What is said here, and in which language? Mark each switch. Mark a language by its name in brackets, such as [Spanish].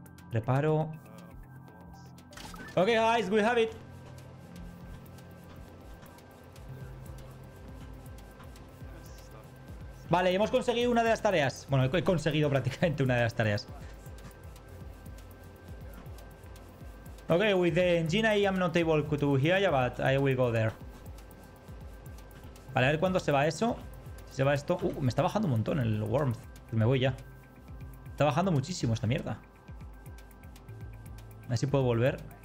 [Spanish] Reparo. [English] Ok, guys, we have it. [Spanish] Vale, hemos conseguido una de las tareas. Bueno, he conseguido prácticamente una de las tareas. [English] Ok, with the engine I am not able to hear ya, but I will go there. [Spanish] Vale, a ver cuándo se va eso. Si se va esto. Me está bajando un montón el warmth. Me voy ya. Está bajando muchísimo esta mierda. A ver si puedo volver.